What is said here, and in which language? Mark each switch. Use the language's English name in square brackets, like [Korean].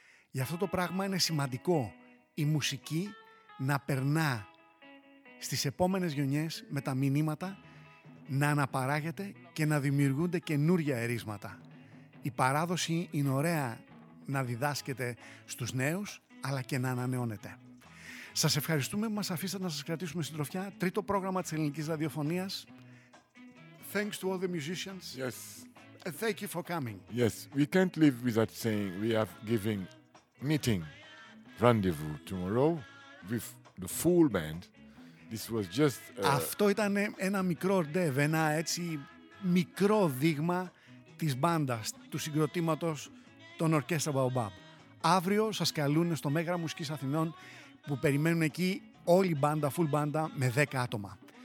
[Greek] Γι' αυτό το πράγμα είναι σημαντικό η μουσική να περνά στις επόμενες γενιές με τα μηνύματα, να αναπαράγεται και να δημιουργούνται καινούργια ερίσματα. Η παράδοση είναι ωραία να διδάσκεται στους νέους, αλλά και να ανανεώνεται. Σας ευχαριστούμε που μας αφήσατε να σας κρατήσουμε συντροφιά. Τρίτο πρόγραμμα της ελληνικής ραδιοφωνίας. [English] Thanks to all the musicians. Yes. Thank you for coming. Yes, we can't live without saying we have given meeting rendezvous tomorrow with the full band. This was just [Greek] αυτό ήταν ένα μικρό ρντεβ, ένα έτσι μικρό δείγμα της μπάντας, του συγκροτήματος των Ορκέστρα Baobab. Αύριο σας καλούν στο Μέγαρο Μουσικής Αθηνών, που περιμένουν εκεί όλη η μπάντα, full μπάντα, με 10 άτομα.